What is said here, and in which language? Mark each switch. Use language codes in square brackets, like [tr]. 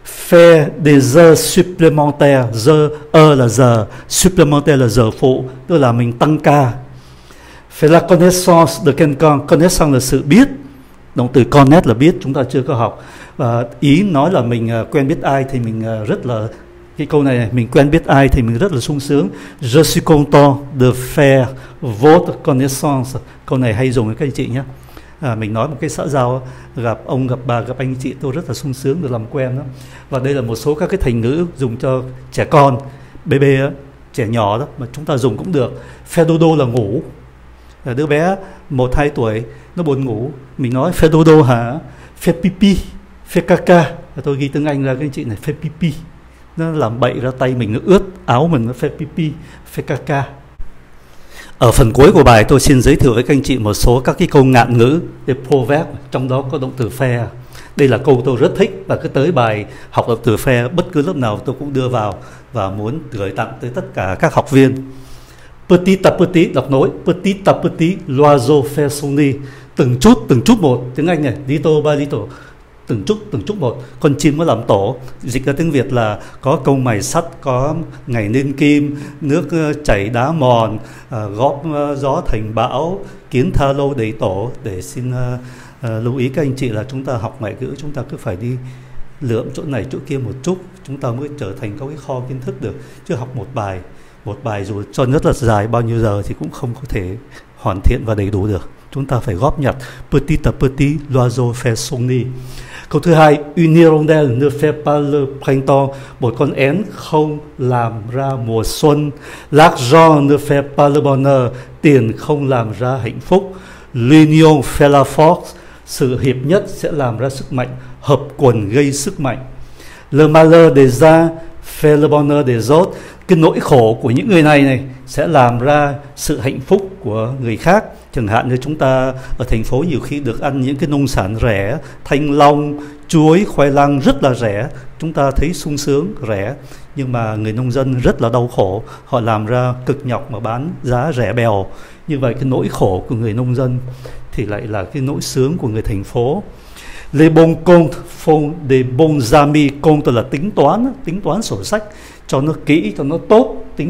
[fr] Faire des heures supplémentaires, [vi] là giờ, supplémentaire là giờ phụ, tức là mình tăng ca. [fr] Faire la connaissance de quelqu'un, [vi] connaissance là sự biết, động từ connaître là biết, chúng ta chưa có học. Và ý nói là mình quen biết ai thì mình rất là, cái câu này, mình quen biết ai thì mình rất là sung sướng. [fr] Je suis content de faire votre connaissance. [vi] Câu này hay dùng với các anh chị nhé. Mình nói một cái xã giao, gặp ông, gặp bà, gặp anh chị, tôi rất là sung sướng được làm quen đó. Và đây là một số các cái thành ngữ dùng cho trẻ con, bé bé, trẻ nhỏ đó, mà chúng ta dùng cũng được. [fr] Faire dodo [vi] là ngủ. Đứa bé 1-2 tuổi, nó buồn ngủ. Mình nói [fr] faire dodo hả? Faire pipi, faire caca. [vi] Tôi ghi tiếng Anh ra các anh chị này, [fr] faire pipi. [vi] Nó làm bậy ra tay mình, nó ướt áo mình, nó phê pipi, phê caca. Ở phần cuối của bài tôi xin giới thiệu với các anh chị một số các cái câu ngạn ngữ, cái proverb, trong đó có động từ phê. Đây là câu tôi rất thích và cứ tới bài học động từ phê, bất cứ lớp nào tôi cũng đưa vào và muốn gửi tặng tới tất cả các học viên. [fr] Petit à petit, [vi] đọc nối, [fr] petit à petit, l'oiseau fait son nid. [vi] Từng chút một, tiếng Anh này, [en] little by little. [vi] Từng chút một, con chim mới làm tổ. Dịch ra tiếng Việt là có câu mài sắt, có ngày nên kim, nước chảy đá mòn, góp gió thành bão, kiến tha lâu đầy tổ. Để xin lưu ý các anh chị là chúng ta học ngoại ngữ, chúng ta cứ phải đi lượm chỗ này chỗ kia một chút, chúng ta mới trở thành có cái kho kiến thức được. Chứ học một bài dù cho rất là dài bao nhiêu giờ thì cũng không có thể hoàn thiện và đầy đủ được. Chúng ta phải góp nhặt. [fr] Petit à petit, l'oiseau fait son nid. [vi] Câu thứ hai, [fr] une hirondelle ne fait pas le printemps. [vi] Một con én không làm ra mùa xuân. [fr] L'argent ne fait pas le bonheur. [vi] Tiền không làm ra hạnh phúc. [fr] L'union fait la force. [vi] Sự hiệp nhất sẽ làm ra sức mạnh. Hợp quần gây sức mạnh. [fr] Le malheur des uns fait le bonheur des autres. [vi] Cái nỗi khổ của những người này này sẽ làm ra sự hạnh phúc của người khác. Chẳng hạn như chúng ta ở thành phố nhiều khi được ăn những cái nông sản rẻ, thanh long, chuối, khoai lang rất là rẻ. Chúng ta thấy sung sướng, rẻ. Nhưng mà người nông dân rất là đau khổ. Họ làm ra cực nhọc mà bán giá rẻ bèo. Như vậy cái nỗi khổ của người nông dân thì lại là cái nỗi sướng của người thành phố. [fr] Les bons comptes font des bons amis. [vi] Compte là tính toán sổ sách. Cho nó kỹ, cho nó tốt, tính toán với nhau tốt thì sẽ tạo ra những người bạn tốt.